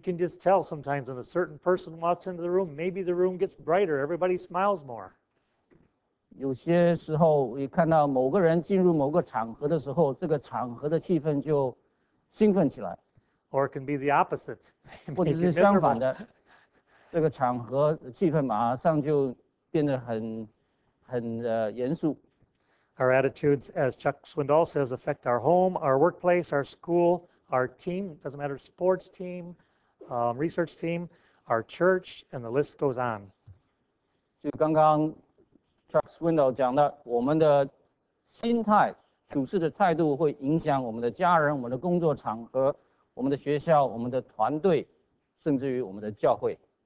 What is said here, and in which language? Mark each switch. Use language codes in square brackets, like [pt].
[en] can just tell sometimes when a certain person walks into the room, maybe the room gets brighter, everybody smiles more. [zh] 有些时候，你看到某个人进入某个场合的时候，这个场合的气氛就兴奋起来。 [en] Or it can be the opposite. [zh] 或者是相反的，这个场合气氛马上就变得很严肃。 [en] Our attitudes, as Chuck Swindoll says, affect our home, our workplace, our school, our team, doesn't matter, sports team, research team, our church, and the list goes on. [zh] 就刚刚 Chuck Swindoll 讲的，我们的心态、处事的态度会影响我们的家人、我们的工作场合、我们的学校、我们的团队，甚至于我们的教会。